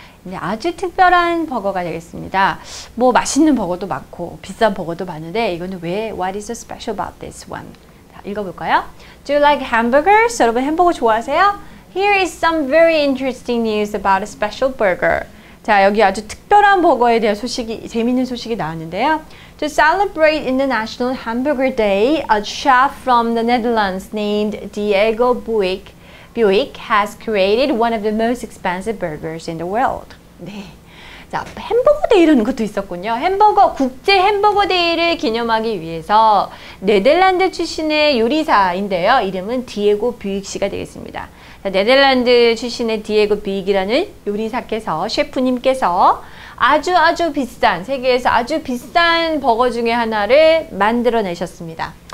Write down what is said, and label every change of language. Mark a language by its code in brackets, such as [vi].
[ko] 네, 아주 특별한 버거가 되겠습니다. 뭐 맛있는 버거도 많고 비싼 버거도 많은데 이거는 왜 [en] what is so special about this one? [ko] 자, 읽어 볼까요? [en] Do you like hamburgers? [ko] 여러분 햄버거 좋아하세요? [en] Here is some very interesting news about a special burger. [ko] 자, 여기 아주 특별한 버거에 대한 소식이 재미있는 소식이 나왔는데요. [en] To celebrate International Hamburger Day, a chef from the Netherlands named Diego Buick has created one of the most expensive burgers in the world. [ko] 네. 자, 햄버거 데이라는 것도 있었군요. 햄버거, 국제 햄버거 데이를 기념하기 위해서 네덜란드 출신의 요리사인데요. 이름은 디에고 뷰익 씨가 되겠습니다. 자, 네덜란드 출신의 디에고 뷰익이라는 요리사께서, 셰프님께서 아주 아주 비싼, 세계에서 아주 비싼 버거 중에 하나를 만들어내셨습니다.